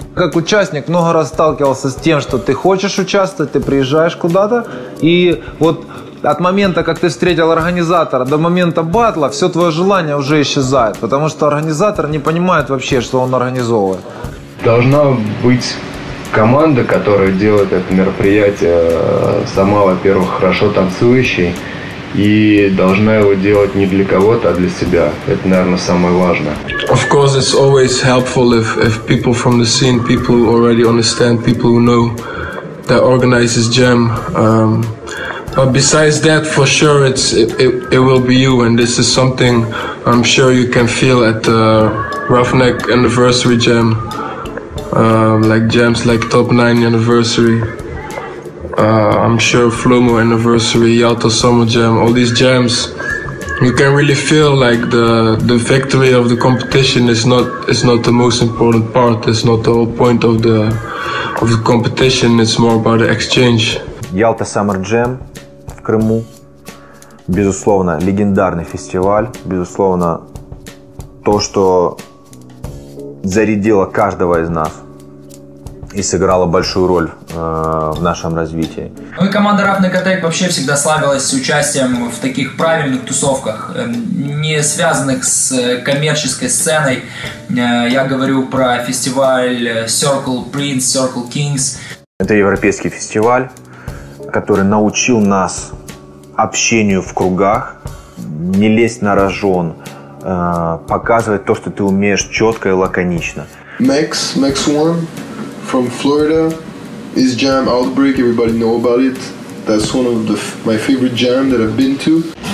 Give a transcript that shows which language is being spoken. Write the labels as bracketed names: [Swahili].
[Russian] Как участник много раз сталкивался с тем, что ты хочешь участвовать, ты приезжаешь куда-то, и вот от момента, как ты встретил организатора, до момента батла, все твое желание уже исчезает, потому что организатор не понимает вообще, что он организовывает. Должна быть команда, которая делает это мероприятие, сама, во-первых, хорошо танцующей, и должна его делать не для кого-то, а для себя. Это, наверное, самое важное. [English] Of course, it's always helpful if people from the scene, people who already understand, people who know that organizes jam. But besides that, for sure, it will be you, and this is something I'm sure you can feel at the Roughneck Anniversary Jam, like jams like Top 9 Anniversary. I'm sure Flomo Anniversary, Yalta Summer Jam, all these jams, you can really feel like the victory of the competition is not the most important part. It's not the whole point of the competition. It's more about the exchange. [Russian] Yalta Summer Jam в Крыму, безусловно, легендарный фестиваль, безусловно, то, что зарядило каждого из нас и сыграла большую роль в нашем развитии. Ну и команда Roughneck Attack вообще всегда славилась участием в таких правильных тусовках, не связанных с коммерческой сценой. Я говорю про фестиваль Circle Prince, Circle Kings. Это европейский фестиваль, который научил нас общению в кругах, не лезть на рожон, показывать то, что ты умеешь четко и лаконично. [English] Max One. From Florida, his jam Outbreak, everybody know about it. That's one of my favorite jam that I've been to.